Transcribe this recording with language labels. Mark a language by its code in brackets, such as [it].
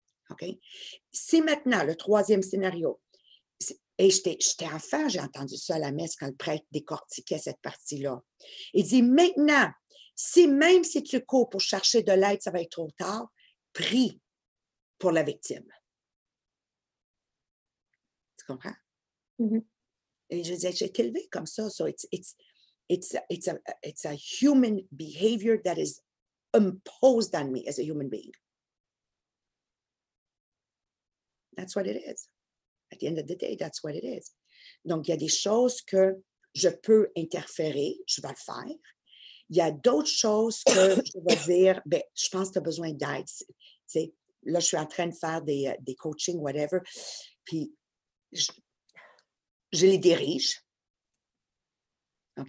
[fr] OK? Si maintenant, le troisième scénario, Et j'étais enfant, j'ai entendu ça à la messe quand le prêtre décortiquait cette partie-là. Il dit, maintenant, si même si tu cours pour chercher de l'aide, ça va être trop tard, prie pour la victime. Tu comprends? Mm-hmm. Et je disais, j'ai été élevée comme ça. [en] So it's a human behavior that is imposed on me as a human being. That's what it is. At the end of the day, that's what it is. [fr] Donc, il y a des choses que je peux interférer, je vais le faire. Il y a d'autres choses que je vais dire, ben, je pense que tu as besoin d'aide. T'sais, là, je suis en train de faire des coachings, whatever. Puis, je les dirige. OK?